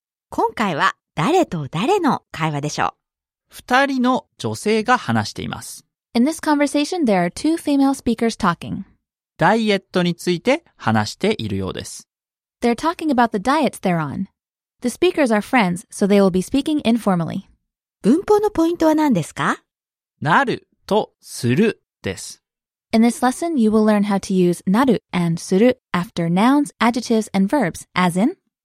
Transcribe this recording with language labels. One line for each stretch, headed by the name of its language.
Japanese: 今回は誰と誰の会話でしょう。二人の女性が話しています。
English: In this conversation, there are two female speakers talking.
Japanese: ダイエットについて話しているようです。
English: They're talking about the diets they're on. The speakers are friends, so they will be speaking informally.
Japanese: 文法のポイントは何ですか？なるとするです。
English: In this lesson, you will learn how to use なる and する after nouns, adjectives, and verbs, as in